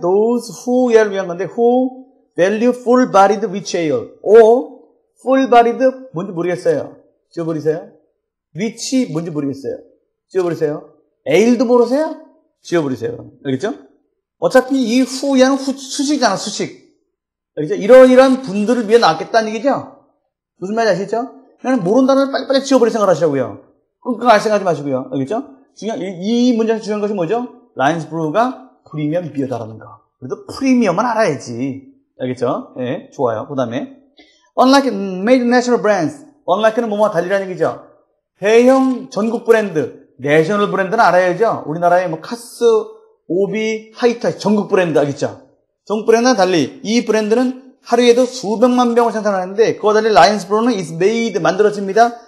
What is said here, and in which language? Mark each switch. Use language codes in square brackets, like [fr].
[en] Those who are [ko] 위한 건데, [en] who value full-bodied rich ale. [ko] Or, full-bodied 뭔지 모르겠어요. 지워버리세요. 위치 뭔지 모르겠어요. 지워버리세요. 에일도 모르세요? 지워버리세요. 알겠죠? 어차피 이 후에는 수식이잖아, 수식. 알겠죠? 이런 분들을 위해 나왔겠다는 얘기죠? 무슨 말인지 아시겠죠? 그냥 모르는 단어를 빨리빨리 지워버릴 생각을 하시라고요. 끙끙 할 생각하지 마시고요. 알겠죠? 이 문장에서 중요한 것이 뭐죠? 라인스 브루가 프리미엄 비어다라는 거. 그래도 프리미엄만 알아야지. 알겠죠? 예, 네, 좋아요. 그 다음에. Unlike major national brands. Unlike는 뭐뭐 달리라는 얘기죠? 대형 전국 브랜드, 내셔널 브랜드는 알아야죠. 우리나라의 뭐 카스, 오비, 하이타이 전국 브랜드 알겠죠? 전국 브랜드는 달리 이 브랜드는 하루에도 수백만 병을 생산하는데 그와 달리 라이언스 브루는 is made 만들어집니다.